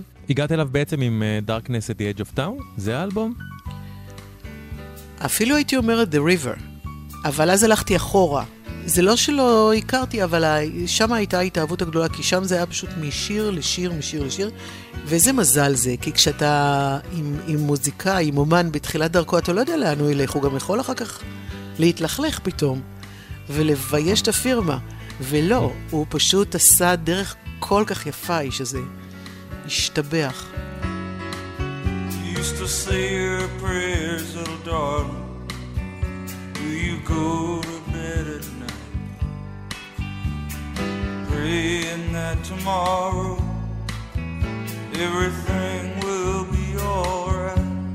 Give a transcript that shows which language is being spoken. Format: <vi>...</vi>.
<he>הגעת אליו בעצם עם Darkness at the Edge of Town? זה האלבום? אפילו הייתי אומרת The River. אבל אז הלכתי אחורה. זה לא שלא הכרתי, אבל שם הייתה ההתאהבות הגדולה, כי שם זה היה פשוט משיר לשיר, משיר לשיר. וזה מזל זה, כי כשאתה עם מוזיקה, עם אומן בתחילת דרכו, אתה לא יודע לאן הוא ילך, הוא גם יכול אחר כך להתלכלך פתאום, ולבייש את הפירמה. ולא, הוא פשוט עשה דרך כל כך יפה, איש הזה. השתבח.</he> <en>You used to say your prayers, little darling. Do you go to bed at night praying that tomorrow everything will be all right?</en>